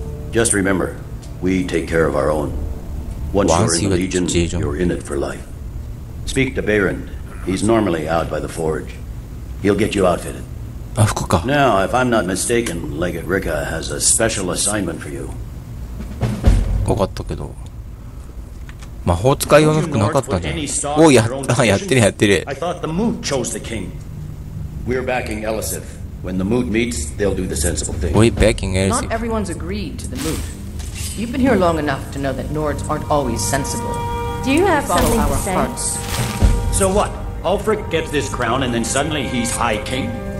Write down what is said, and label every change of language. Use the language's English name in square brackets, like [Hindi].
[English] Just remember, we take care of our own. Once you're in the Legion, you're in it for life. Speak to Baron. He's normally out by the forge. He'll get you outfitted. [Japanese] あ、服か。 [English] Now, if I'm not mistaken, Legate Rikka has a special assignment for you. [Japanese] わかったけど。魔法使い用の服なかったじゃん。おお、やってる。 [English] I thought the Moot chose the king. We're backing Elisif. When the Moot meets, they'll do the sensible thing. We're backing Elisif. Not everyone's agreed to the Moot. You've been here long enough to know that Nords aren't always sensible. Do you have something to say? So what? Ulfric gets this crown and then suddenly he's High King?